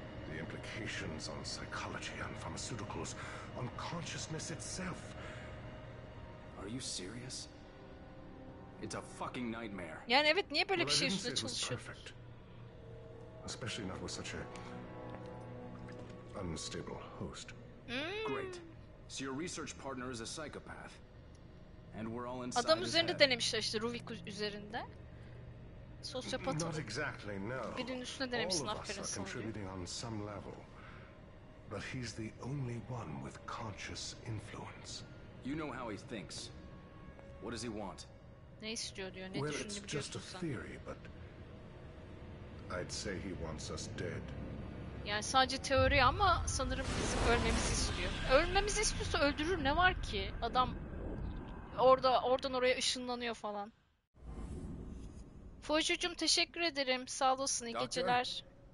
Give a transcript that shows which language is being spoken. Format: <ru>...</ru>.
<en>The implications on psychology and pharmaceuticals, on consciousness itself. Are you serious? It's a fucking nightmare.</en> <tr>Yani evet, niye böyle bir şey üstüne çalışıyorsun?</tr> <en>Especially not with such a unstable host. Great. So your research partner is a psychopath. And we're all inside.</en> <tr>Adam üzerinde denemişler işte, Rubik üzerinde. Sosyopat.</tr> <en>Not exactly, no.</en> <tr>Birinin üstüne denemişsin, aferin sana.</tr> <en>Contributing on some level. But he's the only one with conscious influence. You know how he thinks. What does he want?</en> <tr>Ne istiyor diyor, ne düşünüyor biliyorsun.</tr> <en>Well, it's just a theory, but I'd say he wants us dead.</en> <tr>Yani sadece teori ama sanırım bizi ölmemizi istiyor. Ölmemizi istiyorsa öldürür, ne var ki? Adam orada oradan oraya ışınlanıyor falan. Focucuğum teşekkür ederim. Sağ olasın, iyi geceler.</tr>